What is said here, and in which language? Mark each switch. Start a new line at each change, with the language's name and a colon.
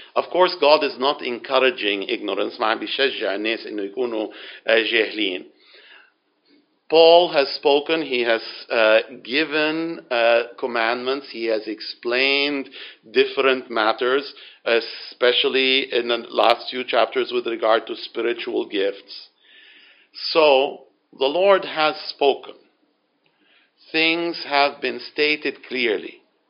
English: Of course, God is not encouraging ignorance.
Arabic: ما عم بيشجع الناس إنه يكونوا جاهلين.
English: Paul has spoken, he has given commandments, he has explained different matters, especially in the last few chapters with regard to spiritual gifts. So, the Lord has spoken. Things have been stated clearly.